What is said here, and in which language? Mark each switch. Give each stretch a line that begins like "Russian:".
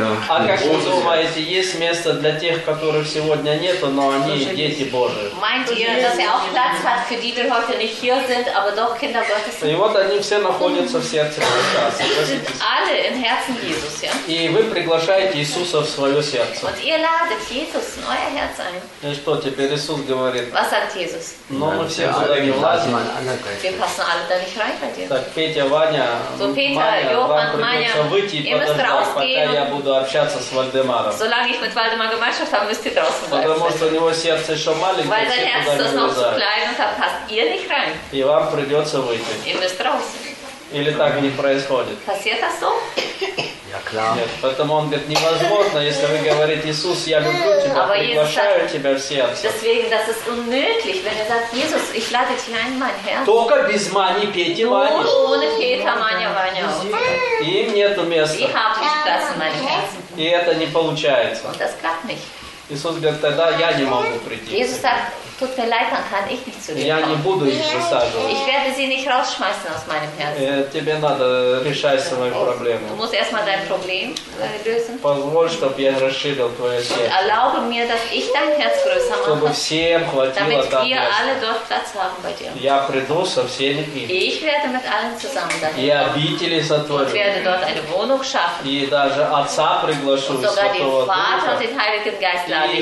Russian: А как вы думаете, есть место для тех, которых сегодня нет, но они дети Божии?
German: Meint ihr, dass auch Platz hat für die, die heute nicht hier sind, aber doch Kinder Gottes?
Russian: И вот они все находятся в сердце Христа.
German: Alle im Herzen Jesus, ja?
Russian: И вы приглашаете Иисуса в свое сердце.
German: Und ihr ladet Jesus in euer Herz ein.
Russian: И что теперь Иисус говорит?
German: Was sagt Jesus?
Russian: Но мы все туда не влазим.
German: Wir passen alle da nicht rein bei dir.
Russian: Так, Петя, Ваня,
German: so Peter,
Russian: Маня,
German: Johann,
Russian: вам придется выйти и подождать, пока я буду общаться с
German: Solange ich mit Waldemar Gemeinschaft habe, müsst ihr draußen
Russian: потому
German: bleiben.
Russian: Потому что у него сердце еще маленькое,
German: Weil dein Herz ist noch zu klein und da passt ihr nicht rein.
Russian: И вам придется выйти.
German: Ihr müsst draußen.
Russian: Или так не происходит?
German: Passiert das so? Ja, klar.
Russian: Нет, поэтому он говорит, невозможно, если вы говорите, Иисус, я люблю тебя,
German: Aber
Russian: приглашаю
German: Jesus,
Russian: тебя в сердце.
German: Deswegen, das ist unmöglich, wenn er sagt, Jesus, ich lade dich ein, mein Herr.
Russian: Только без Мани, Пети, Вани.
German: Ohne Peter, Маня, Ваня.
Russian: Им нету места.
German: Die haben nicht Platz in meinem Herzen.
Russian: И это не получается.
German: Und das klappt nicht.
Russian: Иисус говорит, тогда я не могу прийти.
German: Иисус sagt, tut mir leid, dann kann ich nicht zu dir.
Russian: Я не буду их высаживать.
German: Ich werde sie nicht rausschmeißen aus meinem Herzen.
Russian: Тебе надо решать свою проблему.
German: Du musst erstmal dein Problem lösen.
Russian: Позволь, чтобы я расширил твое сердце.
German: Erlaube mir, dass ich dein Herz größer mache.
Russian: Чтобы всем хватило там места.
German: Damit wir alle dort Platz haben bei dir.
Russian: Я приду со всеми.
German: Ich werde mit allen zusammen dahin.
Russian: Я обители сотворю.
German: Ich werde dort eine Wohnung schaffen.
Russian: И даже отца приглашу.
German: Und sogar den Vater und den Heiligen Geist.